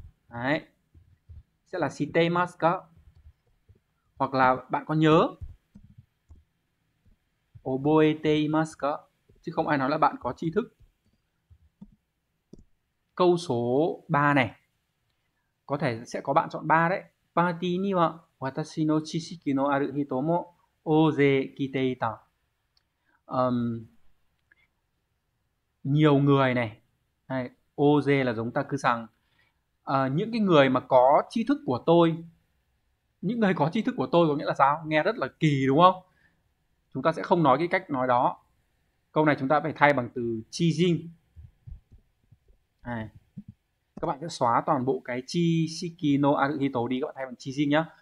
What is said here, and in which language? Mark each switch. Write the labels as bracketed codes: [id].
[vi] Đấy. Sẽ là [ja] shitemasu ka? [vi] Hoặc là bạn có nhớ? [ja] Oboeteimasu ka? [vi] Chứ không ai nói là bạn có tri thức. Câu số 3 này. Có thể sẽ có bạn chọn 3 đấy. [ja] パーティーには私の知識のある人も大勢来ていた。 [vi] Nhiều người này, hay, ô dê là chúng ta cứ rằng những cái người mà có tri thức của tôi, những người có tri thức của tôi có nghĩa là sao? Nghe rất là kỳ đúng không? Chúng ta sẽ không nói cái cách nói đó. Câu này chúng ta phải thay bằng từ chi jin. À, các bạn sẽ xóa toàn bộ cái [ja] chi shiki no aruhito [vi] đi, các bạn thay bằng chi jin nhá.